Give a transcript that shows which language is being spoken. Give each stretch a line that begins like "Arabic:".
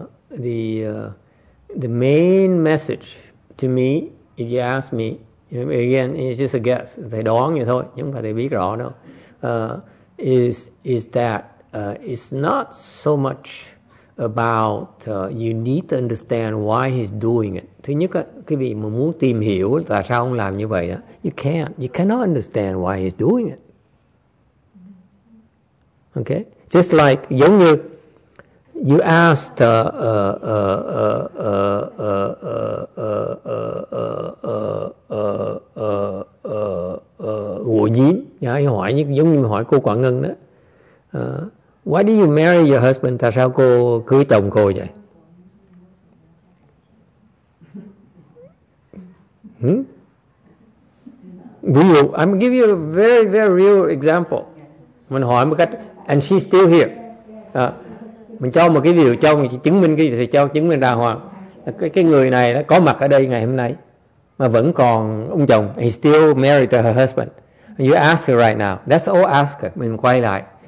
English: the main message to me, if you ask me, again, it's just a guess.
Vietnamese: They đoán vậy thôi, nhưng mà they biết rõ đâu.
English: Is that it's not so much about you need to understand why he's doing it.
Vietnamese: Thứ nhất, quý vị mà muốn tìm hiểu tại sao ông làm như vậy,
English: you can't. You cannot understand why he's doing it. Okay? Just like,
Vietnamese: giống như,
English: you asked why do you marry your husband?
Vietnamese: Tại sao cô cưới chồng cô vậy? Ví dụ,
English: I'm gonna give you a very very real example.
Vietnamese: Mình hỏi một cách,
English: and she's still here.
Vietnamese: Mình cho một cái điều cho mình chứng minh cái gì thì cho chứng minh đàng hoàng. Cái người này nó có mặt ở đây ngày hôm nay mà vẫn còn ông chồng.
English: He's still married to her husband. You ask her right now. That's all ask her.
Vietnamese: Mình quay lại.